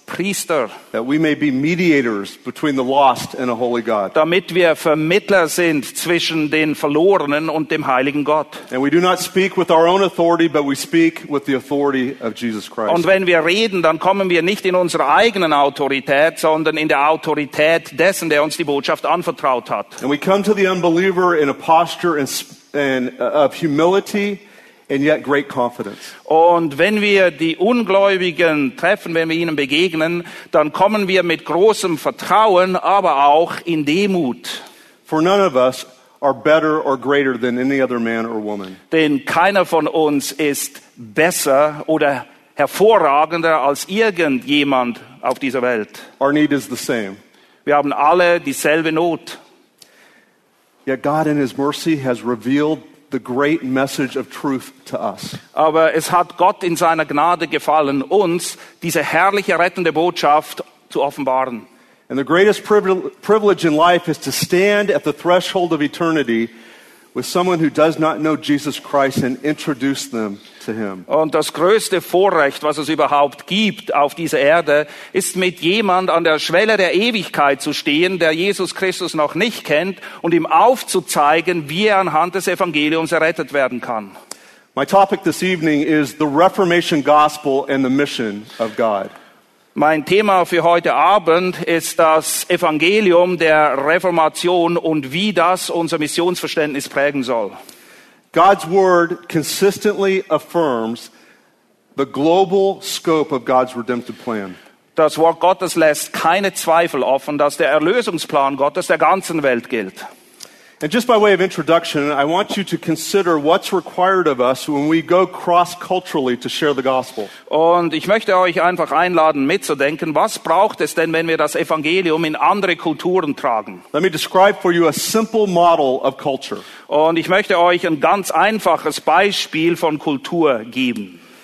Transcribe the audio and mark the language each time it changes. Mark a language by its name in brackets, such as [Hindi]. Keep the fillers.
[English] Priester, that we may be mediators between the lost and a holy God. [German] Damit wir Vermittler sind zwischen den Verlorenen und dem heiligen Gott. [English] And we do not speak with our own authority, but we speak with the authority of Jesus Christ. [German] Und wenn wir reden, dann kommen wir nicht in unserer eigenen Autorität, sondern in der Autorität dessen, der uns die Botschaft anvertraut hat. [English] And we come to the unbeliever in a posture and, and, uh, of humility and yet great confidence. [German] Und wenn wir die Ungläubigen treffen, wenn wir ihnen begegnen, dann kommen wir mit großem Vertrauen, aber auch in Demut. [English] For none of us are better or greater than any other man or woman. [German] Denn keiner von uns ist besser oder hervorragender als irgendjemand auf dieser Welt. [English] Our need is the same. We have all the same Not. Yet God in his mercy has revealed the great message of truth to us. [German] Aber es hat Gott in seiner Gnade gefallen, uns diese herrliche rettende Botschaft zu offenbaren. [English] And the greatest privil privilege in life is to stand at the threshold of eternity. with someone who does not know Jesus Christ and introduce them to him. [German] Und das größte Vorrecht, was es überhaupt gibt auf dieser Erde, ist mit jemand an der Schwelle der Ewigkeit zu stehen, der Jesus Christus noch nicht kennt und ihm aufzuzeigen, wie anhand des Evangeliums errettet werden kann. [English] My topic this evening is the Reformation gospel and the mission of God. [German] Mein Thema für heute Abend ist das Evangelium der Reformation und wie das unser Missionsverständnis prägen soll. [English] God's word consistently affirms the global scope of God's redemptive plan. [German] Das Wort Gottes lässt keine Zweifel offen, dass der Erlösungsplan Gottes der ganzen Welt gilt. [English] And just by way of introduction, I want you to consider what's required of us when we go cross-culturally to share the gospel. [German] Und ich möchte euch einfach einladen, mitzudenken, was braucht es denn, wenn wir das Evangelium in andere Kulturen tragen? [English] Let me describe for you a simple model of culture. [German] Und ich möchte euch ein ganz einfaches Beispiel von Kultur geben.